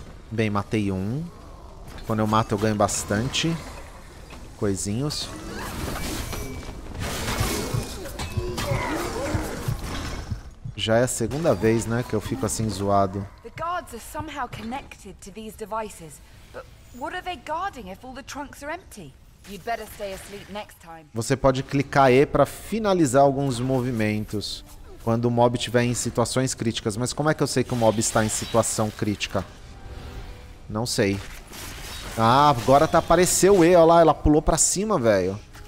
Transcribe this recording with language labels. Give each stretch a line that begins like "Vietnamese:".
Portuguese: Bem, matei um. Quando eu mato, eu ganho bastante coisinhos. Já é a segunda vez, né, que eu fico assim zoado.
English: The guards are somehow connected to these devices. But what are they guarding if all the trunks are empty? You'd better stay asleep next time.
Portuguese: Você pode clicar E para finalizar alguns movimentos quando o mob estiver em situações críticas. Mas como é que eu sei que o mob está em situação crítica? Não sei. Ah, agora tá, apareceu o E, olha lá, ela pulou pra cima, velho.